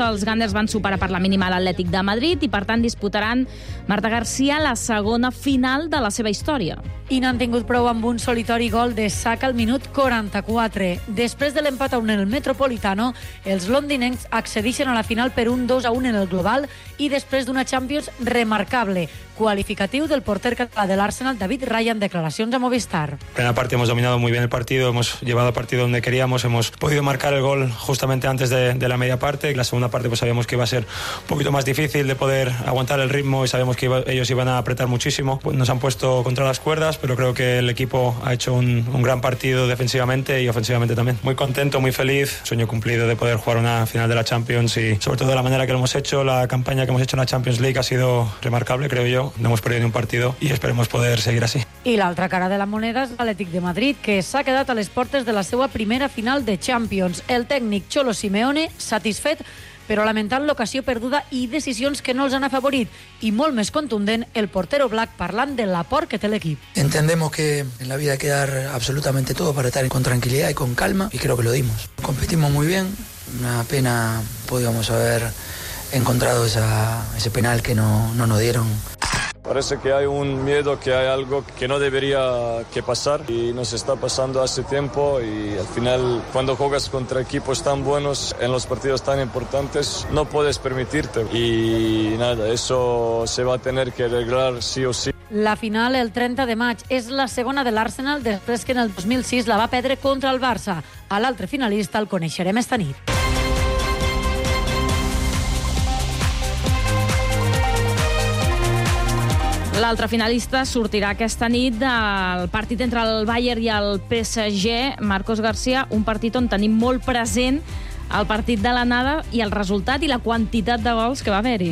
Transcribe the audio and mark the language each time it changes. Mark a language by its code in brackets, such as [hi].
[ca] Els Gunners van superar per la mínima l'Atlètic de Madrid i, per tant, disputaran Marta García la segona final de la seva història. I n'han tingut prou amb un solitari gol de Saka al minut 44. Després de l'empat a un en el Metropolitano, els londinencs accedeixen a la final per un 2-1 en el global i després d'una Champions remarcable. Qualificatiu del porter català de l'Arsenal, David Raya, en declaracions a Movistar. [es] Primera parte hemos dominado muy bien el partido, hemos llevado el partido donde queríamos, hemos podido marcar el gol justamente antes de la media parte. La segunda parte pues sabíamos que iba a ser un poquito más difícil de poder aguantar el ritmo y sabíamos que ellos iban a apretar muchísimo. Nos han puesto contra las cuerdas, pero creo que el equipo ha hecho un gran partido defensivamente y ofensivamente también. Muy contento, muy feliz, sueño cumplido de poder jugar una final de la Champions y sobre todo de la manera que lo hemos hecho, la campaña que hemos hecho en la Champions League ha sido remarcable, creo yo. No hemos perdido ni un partido y esperemos poder seguir así. [ca] I l'altra cara de la moneda és l'Atlètic de Madrid, que s'ha quedat a les portes de la seva primera final de Champions. El tècnic Cholo Simeone, satisfet, però lamentant l'ocasió perduda i decisions que no els han afavorit. I molt més contundent, el porter Oblak parlant de l'aport que té l'equip. [es] Entendemos que en la vida hay que dar absolutamente todo para estar con tranquilidad y con calma, y creo que lo dimos. Competimos muy bien, una pena podíamos haber encontrado ese penal que no nos dieron. Parece que hay un miedo, que hay algo que no debería que pasar y nos está pasando hace tiempo y al final cuando juegas contra equipos tan buenos en los partidos tan importantes no puedes permitirte y nada, eso se va a tener que arreglar sí o sí. [ca] La final el 30 de maig és la segona de l'Arsenal després que en el 2006 la va perdre contra el Barça. A l'altre finalista el coneixerem esta nit. L'altre finalista sortirà aquesta nit del partit entre el Bayern i el PSG, Marcos García, un partit on tenim molt present el partit de l'anada i el resultat i la quantitat de gols que va haver-hi.